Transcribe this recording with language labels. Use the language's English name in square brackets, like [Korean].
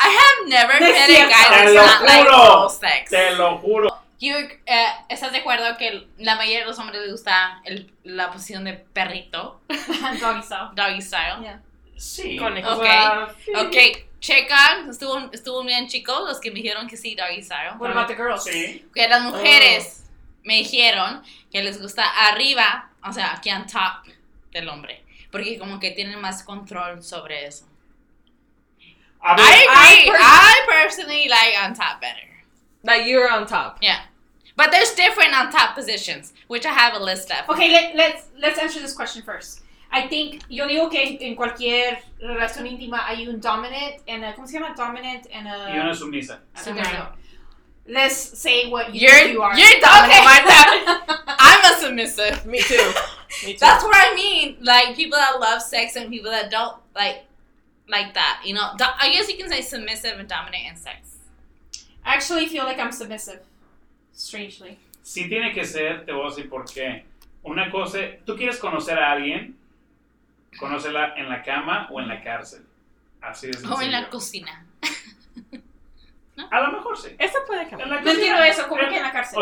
[English] I have never met a guy that's not like oral sex. [Spanish] Te lo juro. ¿Estás de acuerdo que la mayoría de los hombres les gusta la posición de perrito? [English] Doggy style. Yeah. [Spanish] Sí. Ok. Checa, estuvo bien, chicos, los que me dijeron que sí, doggy style. [English] What about the girls? [Spanish] Sí. Que las mujeres me dijeron que les gusta arriba, o sea, aquí on top del hombre. Porque como que tienen más control sobre eso. [English] I personally like on top better. Like you're on top. Yeah. But there's different on top positions, which I have a list of. Okay, let's answer this question first. I think, [Spanish] yo digo que en cualquier relación íntima hay un [English] dominant and a, [Spanish] ¿cómo se llama? [English] Dominant and a... [Spanish] Y una sumisa. [English] Let's say what you are. You're dominant, okay. Martha. I'm a submissive. Me too. That's what I mean. Like, people that love sex and people that don't like that. You know, I guess you can say submissive and dominant in sex. I actually feel like I'm submissive, strangely. [Spanish] Sí tiene que ser, te voy a decir por qué. Una cosa, tú quieres conocer a alguien, conócela en la cama o en la cárcel. Así es. O en la cocina. ¿No? A lo mejor sí. Eso puede cambiar. No entiendo eso, como que en la cárcel.